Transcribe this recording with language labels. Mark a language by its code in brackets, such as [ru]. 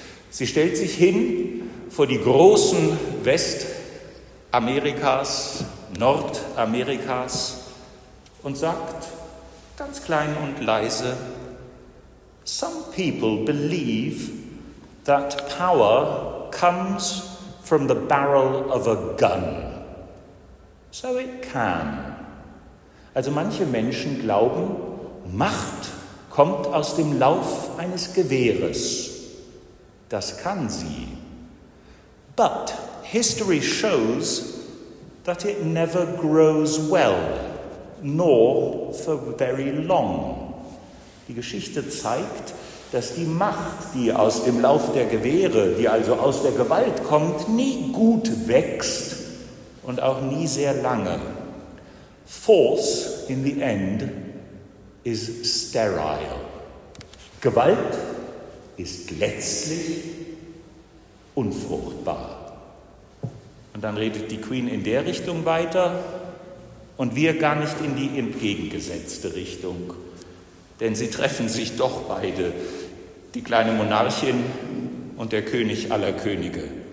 [de] Sie stellt sich hin vor die großen Westamerikas, Nordamerikas und sagt ganz klein und leise: [en] Some people believe that power comes from the barrel of a gun. So it can. [de] Also manche Menschen glauben, Macht kommt aus dem Lauf eines Gewehres. Das kann sie. [en] But history shows that it never grows well, nor for very long. [de] Die Geschichte zeigt, dass die Macht, die aus dem Lauf der Gewehre, die also aus der Gewalt kommt, nie gut wächst und auch nie sehr lange. Force in the end is sterile. Gewalt ist letztlich unfruchtbar. Und dann redet die Queen in der Richtung weiter und wir gar nicht in die entgegengesetzte Richtung. Denn sie treffen sich doch beide, die kleine Monarchin und der König aller Könige.